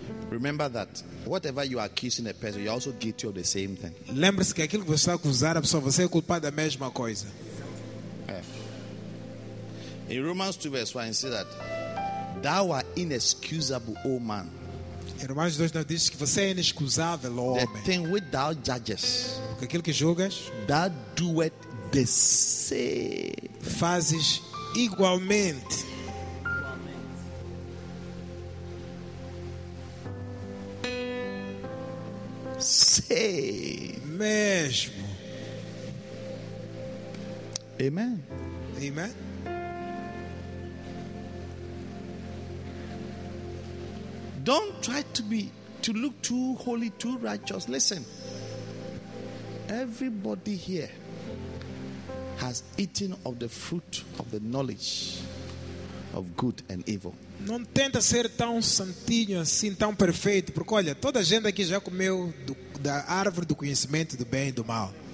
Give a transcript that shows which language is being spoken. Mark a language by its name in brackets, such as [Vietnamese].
[English] remember that whatever you are accusing a person, you are also guilty of the same thing. [Portuguese] Lembre-se que aquilo que você está a acusar a pessoa, você é culpado da mesma coisa. [English] In Romans 2 verse 1, it says that thou art inexcusable, O man. [Portuguese] Em Romanos 2 nós diz que você é inexcusável, O homem. [English] The thing which thou judgest, [Portuguese] porque aquilo que julgas, [English] thou doest the same. [Portuguese] Fazes igualmente. Sim. Mesmo. [English] Amen. [Portuguese] Amen. [English] Don't try to be to look too holy, too righteous. Listen. Everybody here has eaten of the fruit of the knowledge of good and evil. [Portuguese] Não tenta ser tão santinho assim, tão perfeito, porque olha, toda a gente aqui já comeu da árvore do conhecimento do bem e do mal.